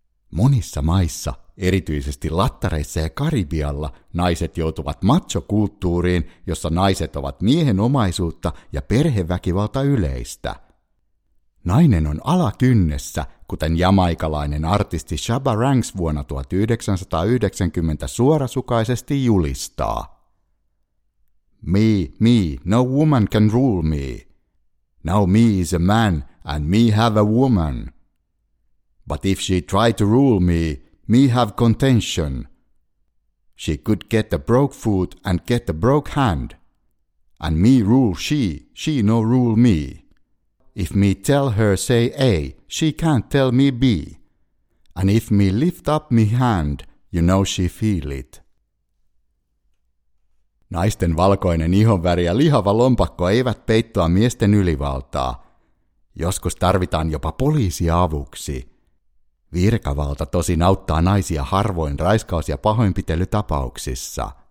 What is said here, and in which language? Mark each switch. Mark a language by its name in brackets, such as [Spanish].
[Finnish] Monissa maissa, erityisesti lattareissa ja Karibialla, naiset joutuvat machokulttuuriin, jossa naiset ovat miehen omaisuutta ja perheväkivalta yleistä. Nainen on alakynnessä, kuten jamaikalainen artisti Shabba Ranks vuonna 1990 suorasukaisesti julistaa. [English] Me, no woman can rule me. Now me is a man, and me have a woman. But if she try to rule me have contention. She could get a broke foot and get a broke hand. And me rule she no rule me. If me tell her say A, she can't tell me B. And if me lift up me hand, you know she feel it. [Finnish] Naisten valkoinen ihonväri ja lihava lompakko eivät peittoa miesten ylivaltaa. Joskus tarvitaan jopa poliisia avuksi. Virkavalta tosin auttaa naisia harvoin raiskaus- ja pahoinpitelytapauksissa.